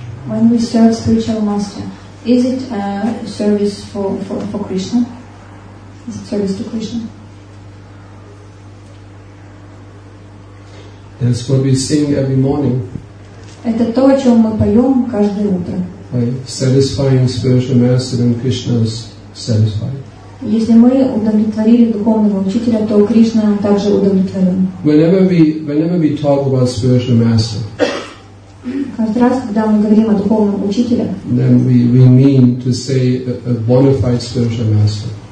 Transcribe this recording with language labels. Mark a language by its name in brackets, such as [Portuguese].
[English] When we serve spiritual master, is it a service for Krishna? Is it service to Krishna? That's what we sing every morning. [Russian] Это то, о чем мы поем каждое утро. [English] By satisfying spiritual master, then Krishna is satisfied. [Russian] Если мы удовлетворили духовного учителя, то Кришна также удовлетворен. [English] Whenever we talk about spiritual master. [Russian] Каждый раз, когда мы говорим о духовном учителе, [English] then we mean to say a bona fide spiritual master.